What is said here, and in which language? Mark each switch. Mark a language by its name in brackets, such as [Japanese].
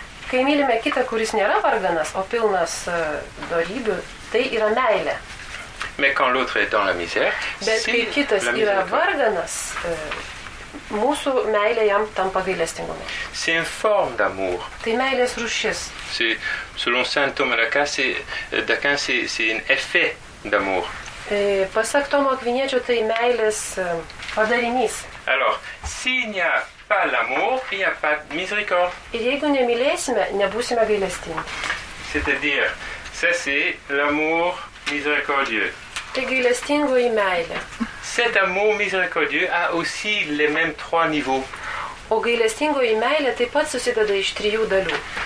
[Lithuanian] Kai mylime kitą, kuris nėra varganas, o pilnas dorybių, tai yra meilė. [French] Mais quand l'autre est dans la misère, [Lithuanian] bet kai kitas yra varganas, mūsų meilė jam tampa gailestingumu. [French] C'est une forme d'amour. [Lithuanian] Tai meilės rūšis. [French] Selon Saint Thomas d'Aquin, c'est un effet d'amour. [Lithuanian] Pasak Tomo Akviniečio, tai meilės padarinys. [French] Alors, s'il n'y a pas l'amour, il n'y a pas de miséricorde. [Lithuanian] Ir jeigu nemylėsime, nebūsime gailestingi. [French] C'est-à-dire, ça c'est l'amour miséricordieux. [Lithuanian] Tai gailestingoji meilė. [French] Cet amour miséricordieux a aussi les mêmes trois niveaux. [Lithuanian] O gailestingoji meilė taip pat susideda iš trijų dalių.